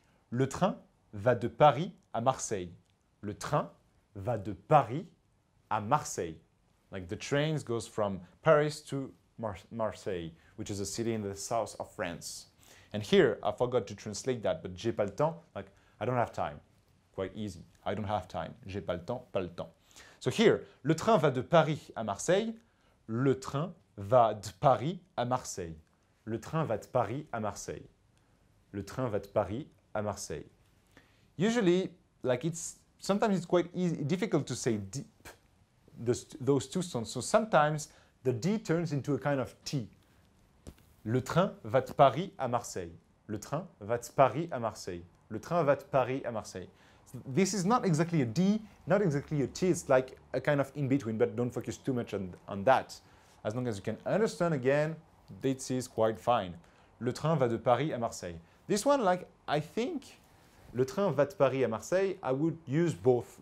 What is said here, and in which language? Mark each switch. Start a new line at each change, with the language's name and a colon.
French: Le train va de Paris à Marseille. Le train va de Paris à Marseille.
English: Like the train goes from Paris to Marseille, which is a city in the south of France. And here, I forgot to translate that, but
French: j'ai pas le temps,
English: like I don't have time. Quite easy. I don't have time.
French: J'ai pas le temps, pas le temps.
English: So here,
French: le train va de Paris à Marseille. Le train va de Paris à Marseille. Le train va de Paris à Marseille. Le train va de Paris à Marseille.
English: Usually, like sometimes it's quite easy, difficult to say deep, those two sounds. So sometimes the D turns into a kind of T.
French: Le train va de Paris à Marseille. Le train va de Paris à Marseille. Le train va de Paris à Marseille.
English: This is not exactly a D, not exactly a T. It's like a kind of in-between, but don't focus too much on that. As long as you can understand again, this is quite fine.
French: Le train va de Paris à Marseille.
English: This one, like, I think,
French: le train va de Paris à Marseille,
English: I would use both.